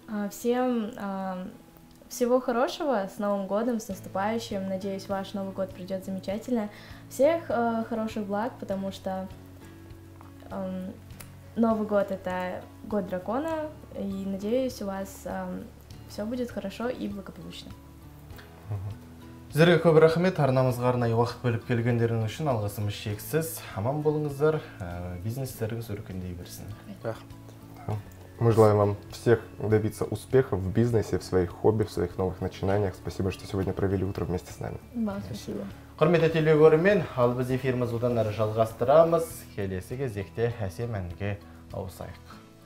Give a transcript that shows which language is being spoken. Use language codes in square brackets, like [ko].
[ru] Всем всего хорошего, с Новым годом, с наступающим. Надеюсь, ваш Новый год пройдет замечательно. Всех хороших благ, потому что... Новый год — это год дракона, и надеюсь, у вас все будет хорошо и благополучно. [kk] Зерге көп рахмет, арнамызға арнайы уақыт бөліп келгендеріңіз үшін алғысымыз шексіз. Аман болыңыздар, бизнестеріңіз өркендей берсін. [ru] Мы желаем вам всех добиться успеха в бизнесе, в своих хобби, в своих новых начинаниях. Спасибо, что сегодня провели утро вместе с нами. Спасибо. [kk] Құрметті телегөрермен, ал біз эфиріміз одан әрі жалғастырамыз. Келесі кезекте әсем әнге ауысайық.